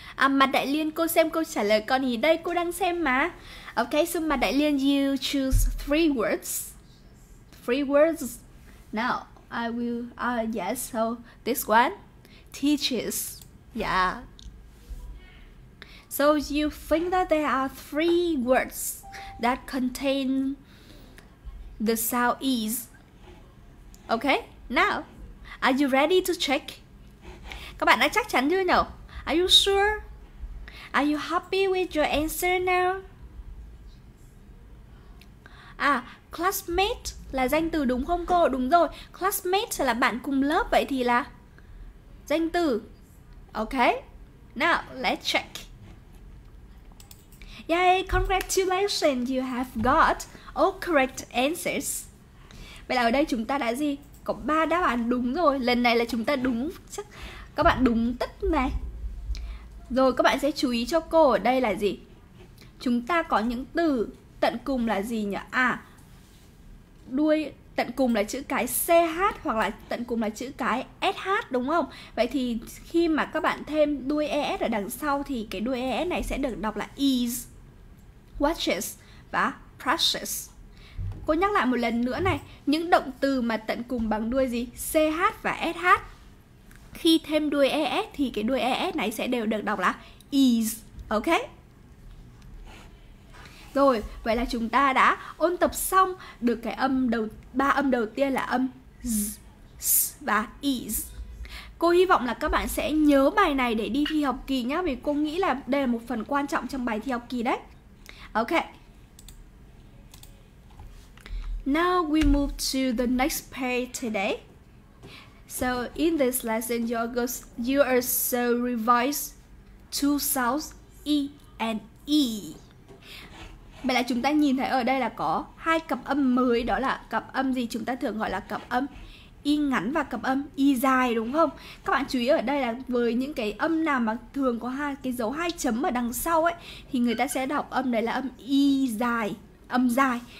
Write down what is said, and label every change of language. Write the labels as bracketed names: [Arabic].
[Vietnamese] Mặt Đại Liên, cô xem cô trả lời con ý đây, cô đang xem mà. [English] Okay, so Mặt Đại Liên, you choose three words. Three words. Now, I will, yes, so this one, teaches. Yeah. So you think that there are three words that contain the sound ease. Okay, now, are you ready to check? [Vietnamese] Các bạn đã chắc chắn chưa nhỉ? [English] Are you sure? Are you happy with your answer now? [Vietnamese] Classmate là danh từ đúng không cô? Đúng rồi, classmate là bạn cùng lớp, vậy thì là danh từ. [English] Ok, now let's check. Yay, congratulations, you have got all correct answers. [Vietnamese] Vậy là ở đây chúng ta đã gì? Có 3 đáp án đúng rồi. Lần này là chúng ta đúng, chắc các bạn đúng tất này. Rồi các bạn sẽ chú ý cho cô ở đây là gì? Chúng ta có những từ tận cùng là gì nhỉ? Đuôi tận cùng là chữ cái CH hoặc là tận cùng là chữ cái SH đúng không? Vậy thì khi mà các bạn thêm đuôi ES ở đằng sau thì cái đuôi ES này sẽ được đọc là is, watches và precious. Cô nhắc lại một lần nữa này, những động từ mà tận cùng bằng đuôi gì? CH và SH. Khi thêm đuôi ES thì cái đuôi ES này sẽ đều được đọc là is. Ok. Rồi, vậy là chúng ta đã ôn tập xong được cái âm đầu, ba âm đầu tiên là âm z, s và is. Cô hy vọng là các bạn sẽ nhớ bài này để đi thi học kỳ nhá, vì cô nghĩ là đây là một phần quan trọng trong bài thi học kỳ đấy. [English] Ok. Now we move to the next page today. So in this lesson, you also revise two sounds E and E. [Vietnamese] Vậy là chúng ta nhìn thấy ở đây là có hai cặp âm mới, đó là cặp âm gì? Chúng ta thường gọi là cặp âm Y ngắn và cặp âm Y dài, đúng không? Các bạn chú ý ở đây là với những cái âm nào mà thường có hai cái dấu hai chấm ở đằng sau ấy, thì người ta sẽ đọc âm đấy là âm Y dài, âm dài.